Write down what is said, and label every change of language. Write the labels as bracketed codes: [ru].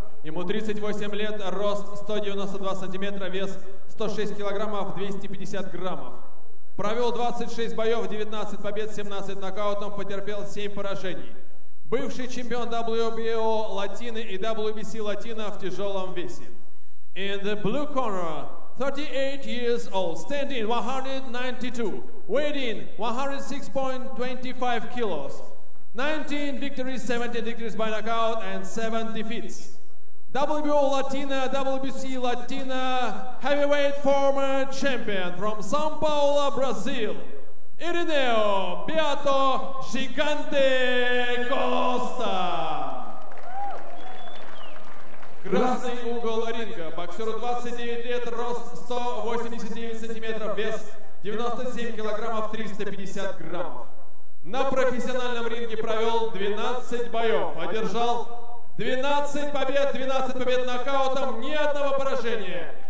[ru] Ему 38 лет, рост 192 сантиметра, вес 106 килограммов, 250 граммов. Провел 26 боев, 19 побед, 17 нокаутов, потерпел 7 поражений. Бывший чемпион WBO Латины и WBC Латина в тяжелом весе. [en] In the blue corner, 38 years old, standing 192, weighing 106.25 kilos, 19 victories, 17 victories by knockout and 7 defeats. WBO Latina, WBC Latina, heavyweight former champion from São Paulo, Brazil, Ireneu Beato Gigante Costa. [ru] Красный угол ринга. Боксеру 29 лет, рост 189 сантиметров, вес 97 килограммов, 350 граммов. На профессиональном ринге провел 12 боев, одержал 12 побед, 12 побед нокаутом, ни одного поражения.